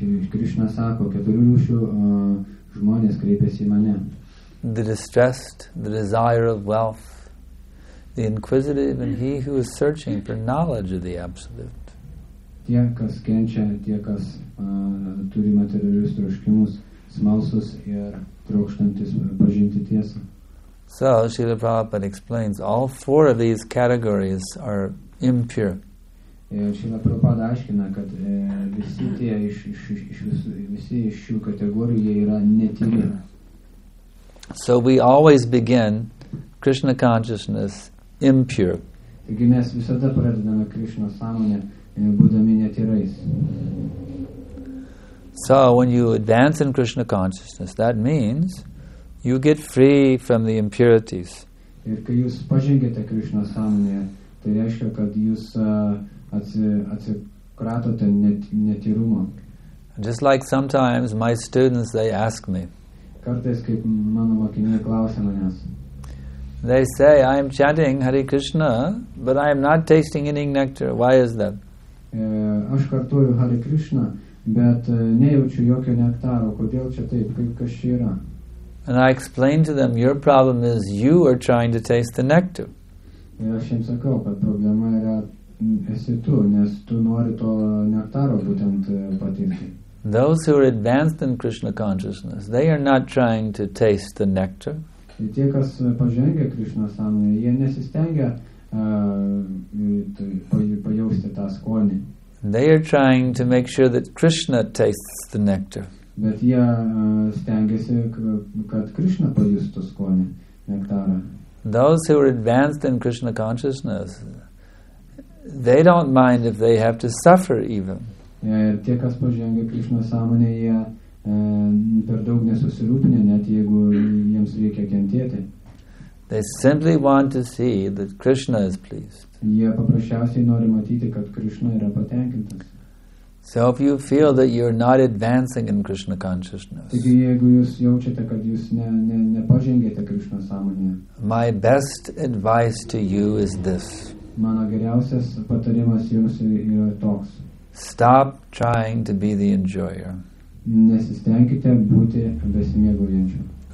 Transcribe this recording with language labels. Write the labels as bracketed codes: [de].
[lt] Krishna sako, keturių rūšių žmonės kreipiasi į mane. [en] The distressed, the desire of wealth, the inquisitive, and he who is searching for knowledge of the absolute. [lt] Tie, kas kenčia, tie, kas turi materialius troškimus, smalsus ir trokštantis pažinti tiesą. [en] So, Srila Prabhupada explains, all four of these categories are impure. [lt] Srila Prabhupada aiškina, kad visi tie iš šių kategorijų yra netyri. [en] So, we always begin Krishna consciousness impure. [lt] Taigi, mes visada pradedame Krishna sąmonę, būdami netyrais. [en] So, when you advance in Krishna consciousness, that means you get free from the impurities. [lt] Ir kai jūs pažengiate Krishna sąmonėje, tai reiškia, kad jūs atsikratote netyrumo. [en] Just like sometimes my students, they ask me. [lt] Kartais, kaip mano mokiniai klausia manęs. [en] They say, I am chanting Hare Krishna, but I am not tasting any nectar. Why is that? [lt] Aš kartuoju Hare Krishna, bet nejaučiu jokio nektaro. Kodėl čia taip? Kaip kas čia yra? [en] And I explain to them, your problem is you are trying to taste the nectar. [lt] Ir aš jiems sakau, kad problema yra esi tu, nes tu nori to nektaro būtent patirti. [en] Those who are advanced in Krishna consciousness, they are not trying to taste the nectar. [lt] Ir tie, kas pažengia Krishna sąmonėje, jie nesistengia pajausti tą skonį. [en] They are trying to make sure that Krishna tastes the nectar. [lt] Bet jie stengiasi, kad Krishna pajustų skonį nektarą. [en] Those who are advanced in Krishna consciousness, they don't mind if they have to suffer even. [lt] Tie, kas pažengia Krišnos sąmonę, jie per daug nesusirūpinę, net jeigu jiems reikia kentėti. [en] They simply want to see that Krishna is pleased. [lt] Jie paprasčiausiai nori matyti, kad Krišna yra patenkintas. [en] So if you feel that you're not advancing in Krishna consciousness, [lt] taigi, jeigu jūs jaučiate, kad jūs nepažengėte Krishna sąmonėje, [en] my best advice to you is this. [lt] Mano geriausias patarimas jums yra toks. [en] Stop trying to be the enjoyer. [lt] Nesistengite būti besimėgaujančiu.